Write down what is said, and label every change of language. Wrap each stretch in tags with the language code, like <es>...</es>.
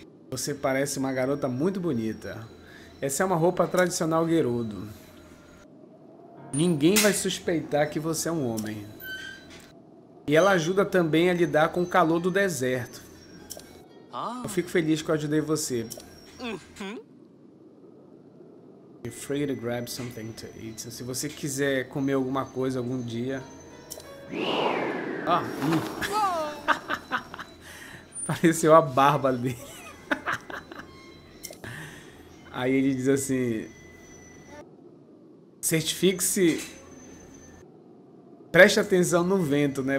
<pt>Você parece uma garota muito bonita. Essa é uma roupa tradicional Gerudo. Ninguém vai suspeitar que você é um homem. E ela ajuda também a lidar com o calor do deserto. Eu fico feliz que eu ajudei você.</pt> <en>You're free to grab something to eat.</en> <pt>Se você quiser comer alguma coisa algum dia... Apareceu a barba dele. Aí ele diz assim... Certifique-se, preste atenção no vento, né?</pt>